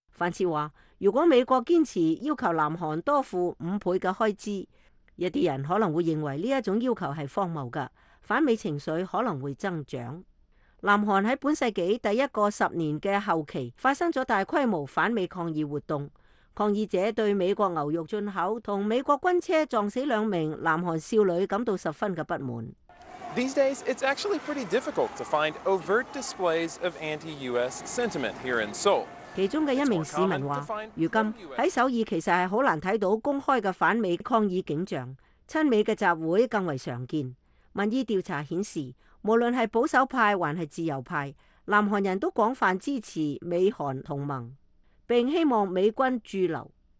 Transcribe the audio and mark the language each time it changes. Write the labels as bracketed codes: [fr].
[zh] 范切说，如果美国坚持要求南韩多付5倍的开支，一些人可能会认为这种要求是荒谬的，反美情绪可能会增长。南韩在本世纪第一个10年的后期发生了大规模反美抗议活动，抗议者对美国牛肉进口和美国军车撞死两名南韩少女感到十分的不满。 [en] These days, it's actually pretty difficult to find overt displays of anti-US sentiment here in Seoul. [zh] 其中的一名市民说，如今在首尔其实是很难看到公开的反美抗议景象，亲美的集会更为常见。民意调查显示，无论是保守派还是自由派，南韩人都广泛支持美韩同盟，并希望美军驻留。